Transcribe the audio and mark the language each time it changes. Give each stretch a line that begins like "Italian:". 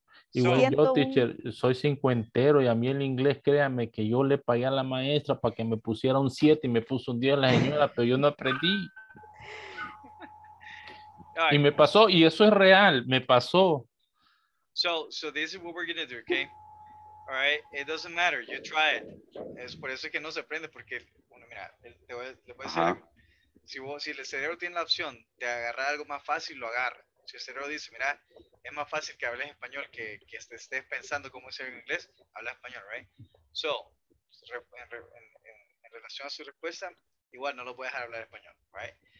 Spanish: Igual yo, teacher, soy cincuentero y a mí el inglés, créame, que yo le pagué a la maestra para que me pusiera un 7 y me puso un 10 la señora, pero yo no aprendí.
English: Right.
Spanish: Y me pasó, y eso es real, me pasó.
English: So this is what we're going to do, okay? All right, it doesn't matter, you try it.
Spanish: Es por eso que no se aprende, porque, bueno, mira, le voy a decir algo. Si el cerebro tiene la opción de agarrar algo más fácil, lo agarra. Si el cerebro dice, mira, es más fácil que hables español que estés pensando cómo decirlo en inglés, habla español,
English: right?
Spanish: So, en relación a su respuesta, igual no lo voy a dejar hablar español,
English: right?